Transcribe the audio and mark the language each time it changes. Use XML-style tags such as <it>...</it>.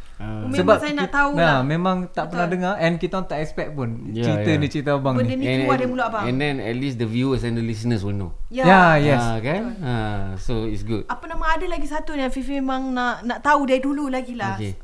<ms>Sebab memang saya nak tahu lah. Memang tak pernah dengar</ms> <en>and</en> <ms>kita tak expect pun cerita ni, cerita abang benda Benda ni keluar dari mulut abang.</ms> <en>And then at least the viewers and the listeners will know. Yeah, yes. So it's good.</en> <ms>Apa nama ada lagi satu ni yang Fifi memang nak tahu dari dulu lagi lah.</ms>